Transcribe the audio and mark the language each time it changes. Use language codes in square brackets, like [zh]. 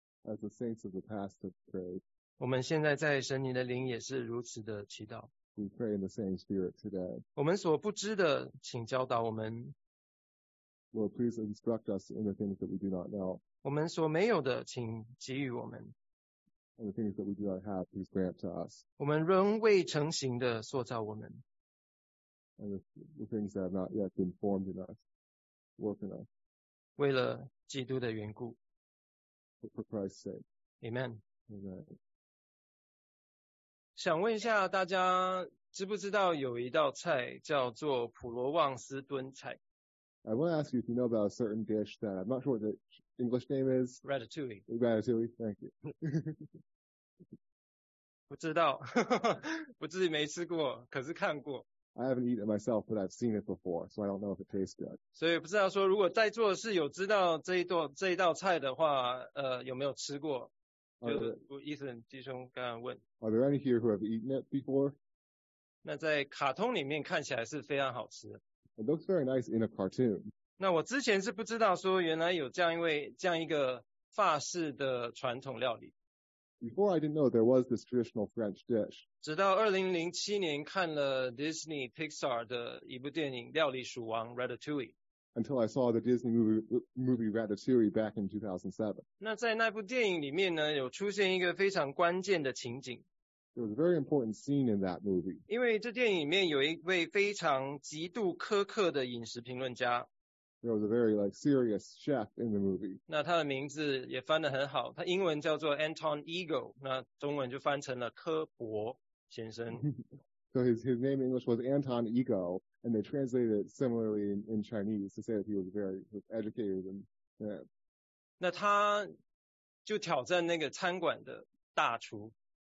[en] As the saints of the past have prayed. [zh] 我们现在在神你的灵也是如此的祈祷。 [en] We pray in the same spirit today. [zh] 我们所不知的请教导我们。 [en] Lord, please instruct us in the things that we do not know. [zh] 我们所没有的请给予我们。 [en] And the things that we do not have, please grant to us. [zh] 我们仍未成形的塑造我们。 [en] And the things that have not yet been formed in us, work in us. [zh] 为了基督的缘故。 [en] For Christ's sake. Amen. Amen. [zh] 想问一下大家知不知道有一道菜叫做普罗旺斯炖菜。 [en] I want to ask you if you know about a certain dish that I'm not sure what the English name is. Ratatouille. Ratatouille, thank you. [zh] 不知道，我自己没吃过，可是看过。 [en] I haven't eaten it myself, but I've seen it before, so I don't know if it tastes good. [zh] 所以不知道说，如果在座是有知道这一道菜的话，有没有吃过？就是Ethan弟兄刚刚问。 [en] Are there any here who have eaten it before? [zh] 那在卡通里面看起来是非常好吃。 [en] It looks very nice in a cartoon. [zh] 那我之前是不知道说原来有这样一个法式的传统料理。 [en] Before I didn't know there was this traditional French dish. [zh] 直到2007年看了 Disney Pixar 的一部电影《料理鼠王》Ratatouille。 [en] Until I saw the Disney movie Ratatouille back in 2007. [zh] 那在那部电影里面呢，有出现一个非常关键的情景。 [en] There was a very important scene in that movie. [zh] 因为这电影里面有一位非常极度苛刻的饮食评论家。 [en] There was a very like serious chef in the movie. [zh] 那他的名字也翻得很好，他英文叫做 Anton Ego， 那中文就翻成了柯伯先生。 [en] So his name in English was Anton Ego, and they translated it similarly in Chinese to say that he was very educated and yeah. [zh] 那他就挑战那个餐馆的大厨。